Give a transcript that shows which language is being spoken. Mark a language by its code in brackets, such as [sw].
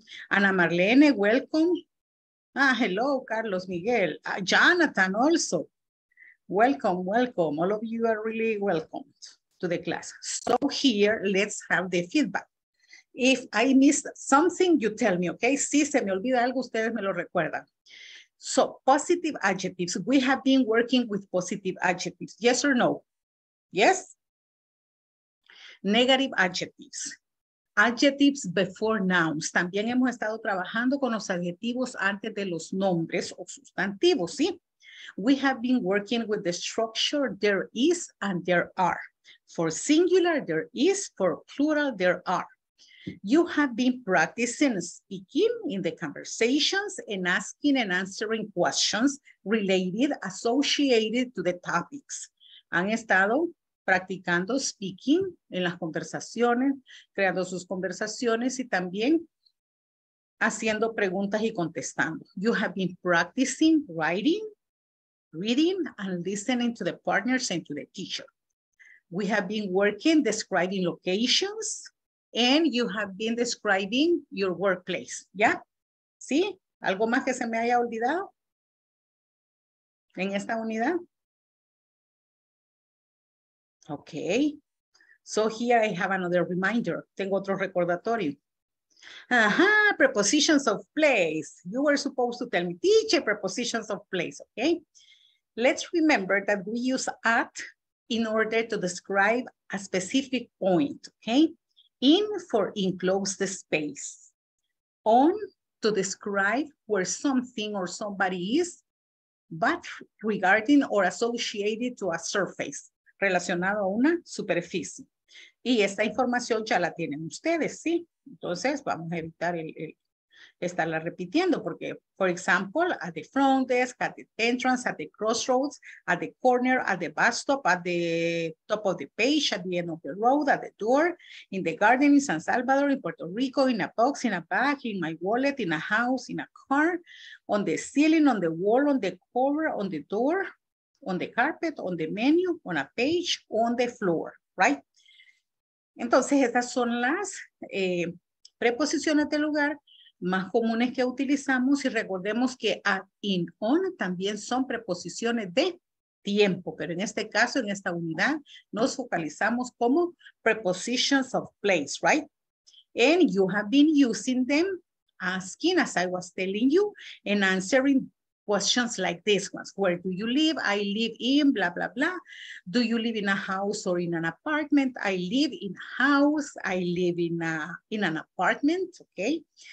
[en] Ana Marlene, welcome. Hello, Carlos Miguel. Jonathan also. Welcome. All of you are really welcome to the class. So here, let's have the feedback. If I missed something, you tell me, okay? [es] Si se me olvida algo, ustedes me lo recuerdan. [en] So positive adjectives. We have been working with positive adjectives. Yes or no? Yes? Negative adjectives. Adjectives before nouns. [es] También hemos estado trabajando con los adjetivos antes de los nombres o sustantivos, ¿sí? [en] We have been working with the structure there is and there are. For singular, there is. For plural, there are. You have been practicing speaking in the conversations and asking and answering questions related, associated to the topics. [es] Han estado practicando speaking en las conversaciones, creando sus conversaciones y también haciendo preguntas y contestando. [en] You have been practicing writing, reading, and listening to the partners and to the teacher. We have been working describing locations, and you have been describing your workplace. [es] ¿Ya? ¿Sí? ¿Algo más que se me haya olvidado en esta unidad? [en] Okay, so here I have another reminder. [es] Tengo otro recordatorio. Ajá, prepositions of place. [en] You were supposed to tell me, teacher, prepositions of place, okay? Let's remember that we use at in order to describe a specific point, okay? In for enclose the space. On to describe where something or somebody is, but regarding or associated to a surface. [es] Relacionado a una superficie. Y esta información ya la tienen ustedes, ¿sí? Entonces, vamos a evitar estarla repitiendo porque, [en] for example, at the front desk, at the entrance, at the crossroads, at the corner, at the bus stop, at the top of the page, at the end of the road, at the door, in the garden, in San Salvador, in Puerto Rico, in a box, in a bag, in my wallet, in a house, in a car, on the ceiling, on the wall, on the cover, on the door, on the carpet, on the menu, on a page, on the floor, right? [es] Entonces, estas son las preposiciones de lugar más comunes que utilizamos y recordemos que at, in, on también son preposiciones de tiempo, pero en este caso, en esta unidad, nos focalizamos como prepositions of place, right? [en] And you have been using them, asking, as I was telling you, and answering questions like this ones. Where do you live? I live in blah, blah, blah. Do you live in a house or in an apartment? I live in a house. I live in an apartment. Okay.